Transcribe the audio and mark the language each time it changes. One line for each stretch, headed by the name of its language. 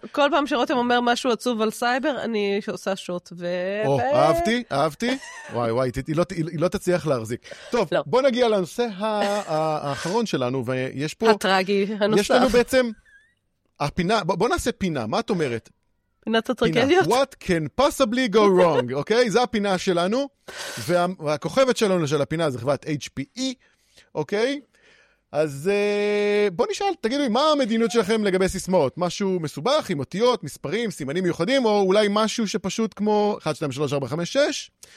Hebrew: כל פעם שרותם אומר משהו עצוב על סייבר, אני עושה שוט. אהבתי, אהבתי. וואי, וואי, היא לא תצליח להחזיק. טוב, בוא נגיע לנושא האחרון שלנו, ויש פה... הטרגי הנוסף. יש לנו בעצם... הפינה, בוא נעשה פינה, מה את אומרת? פינת הטרגדיות?
English: What can possibly go wrong, אוקיי?
Hebrew: זו הפינה שלנו, והכוכבת שלנו של הפינה זה חברת HPE, אוקיי? אז בוא נשאל, תגידו לי, מה המדיניות שלכם לגבי סיסמאות? משהו מסובך, עם אותיות, מספרים, סימנים מיוחדים, או אולי משהו שפשוט כמו 1, 2, 3, 4, 5, 6?